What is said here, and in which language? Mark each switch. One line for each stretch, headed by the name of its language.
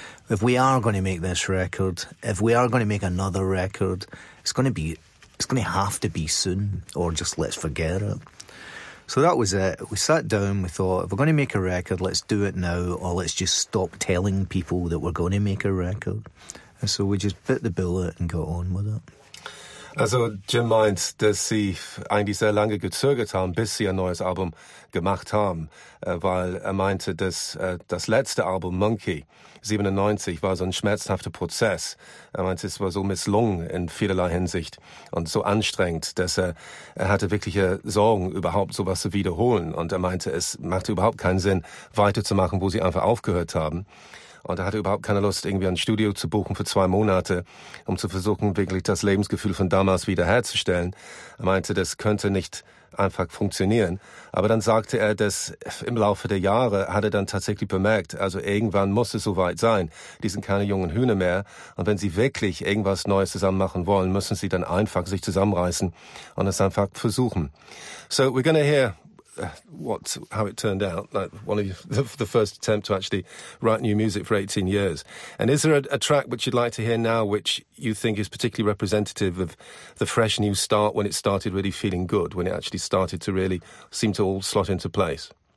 English: If we are going to make this record, if we are going to make another record, it's going to have to be soon, or just let's forget it. So that was it. We sat down, we thought, if we're going to make a record, let's do it now, or let's just stop telling people that we're going to make a record. And so we just bit the bullet and got on with it.
German: Also Jim meint, dass sie eigentlich sehr lange gezögert haben, bis sie ein neues Album gemacht haben, weil er meinte, dass das letzte Album, Monkey, 97, war so ein schmerzhafter Prozess. Er meinte, es war so misslungen in vielerlei Hinsicht und so anstrengend, dass er hatte wirkliche Sorgen, überhaupt sowas zu wiederholen. Und er meinte, es machte überhaupt keinen Sinn, weiterzumachen, wo sie einfach aufgehört haben. Und er hatte überhaupt keine Lust, irgendwie ein Studio zu buchen für 2 Monate, um zu versuchen, wirklich das Lebensgefühl von damals wiederherzustellen. Er meinte, das könnte nicht einfach funktionieren. Aber dann sagte er, dass im Laufe der Jahre hat er dann tatsächlich bemerkt, also irgendwann muss es soweit sein. Die sind keine jungen Hühner mehr. Und wenn sie wirklich irgendwas Neues zusammen machen wollen, müssen sie dann einfach sich zusammenreißen und es einfach versuchen.
English: So, we're gonna hear how it turned out, like one of the first attempt to actually write new music for 18 years. And is there a track which you'd like to hear now which you think is particularly representative of the fresh new start when it started really feeling good, when it actually started to really seem to all slot into place?